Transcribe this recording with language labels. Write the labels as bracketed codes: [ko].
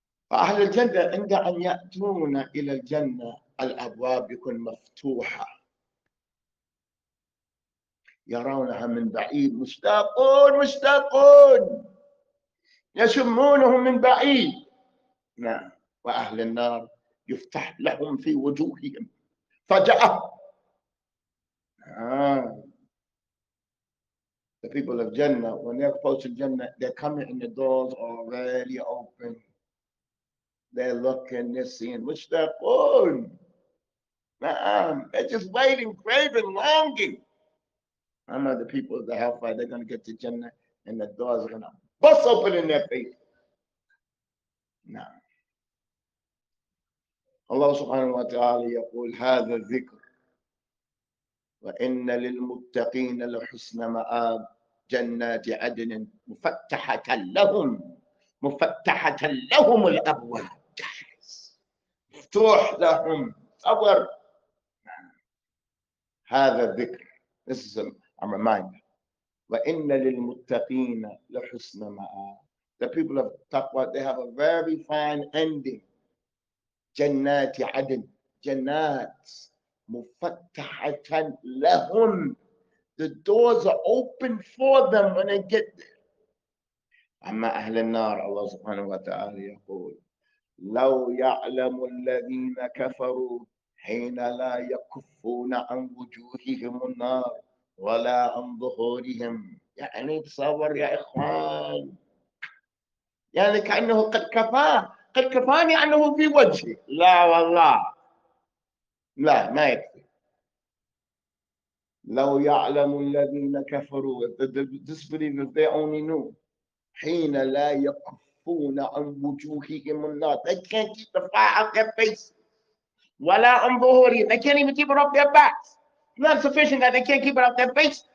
[ar] فأهل الجنة عند أن يأتون إلى الجنة الأبواب يكون مفتوحة، يرونها من بعيد مشتاقون مشتاقون يشمونهم من بعيد. نعم. وأهل النار يفتح لهم في وجوههم فجأة. [en] The people of Jannah, when they approach Jannah, they're coming and the doors are already open. They're looking, they're seeing, which they're born. They're just waiting, craving, longing. I know the people of the Hellfire, they're going to get to Jannah and the doors are going to bust open in their face. [ar] الله سبحانه وتعالى يقول هذا الذكر وإن للمتقين لحسن مآب. جنات عدن مفتحة لهم، مفتحة لهم الأبواب، جاهز مفتوح لهم. أبر هذا الذكر اسم عمان. وإن للمتقين لحسن مآب. [en] The people of Taqwa, they have a very fine ending. [ar] جنات عدن، جنات مفتحة لهم. [en] The doors are open for them when they get there. [ar] أما أهل النار، الله سبحانه وتعالى يقول: لو يعلم الذين كفروا حين لا يكفون عن وجوههم النار ولا عن ظهورهم. يعني تصور يا إخوان، يعني كأنه قد كفاه، قد كفاني أنه في وجهي. لا والله، لا ما يكفي. لو يعلم الذين كفروا، [en] disbelievers, they only knew. [ar] حين لا يكفون عن وجوههم النار. [en] They can't keep the fire out their face. [ar] ولا عن ظهورهم. [en] They can't even keep it off their backs. Not sufficient that they can't keep it off their face.